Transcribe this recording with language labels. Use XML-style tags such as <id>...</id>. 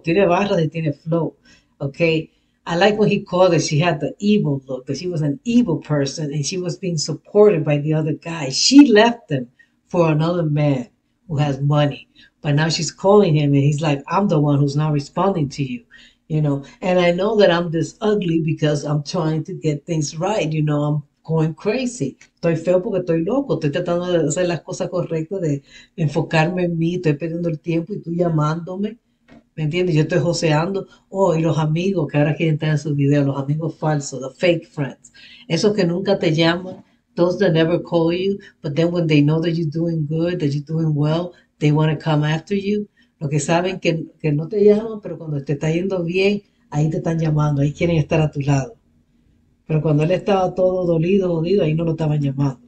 <es>Tiene barras y tiene flow,</es> <en>okay? I like what he called it. She had the evil look, that she was an evil person, and she was being supported by the other guy. She left him for another man who has money. But now she's calling him, and he's like, I'm the one who's not responding to you. You know, and I know that I'm this ugly because I'm trying to get things right, you know, I'm going crazy.</en> <es>Estoy feo porque estoy loco. Estoy tratando de hacer las cosas correctas, de enfocarme en mí. Estoy perdiendo el tiempo y tú llamándome. ¿Me entiendes? Yo estoy joseando. Oh, y los amigos que ahora quieren tener sus videos, los amigos falsos,</es> <en>the fake friends.</en> <es>Esos que nunca te llaman,</es> <en>those that never call you, but then when they know that you're doing good, that you're doing well, they want to come after you.</en> <es>Los que saben que no te llaman, pero cuando te está yendo bien, ahí te están llamando, ahí quieren estar a tu lado. Pero cuando él estaba todo dolido, jodido, ahí no lo estaban llamando.</es>